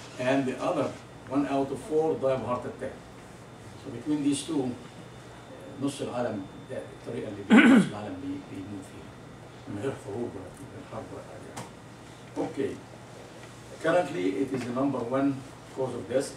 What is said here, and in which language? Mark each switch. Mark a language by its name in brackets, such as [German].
[English] And the other one out of four died of heart attack. So between these two, [Arabic] نص العالم الطريقة اللي نص العالم بيموت فيها. من غير حروب ولا حرب ولا حاجة. [English] Okay. Currently, it is the number one cause of death.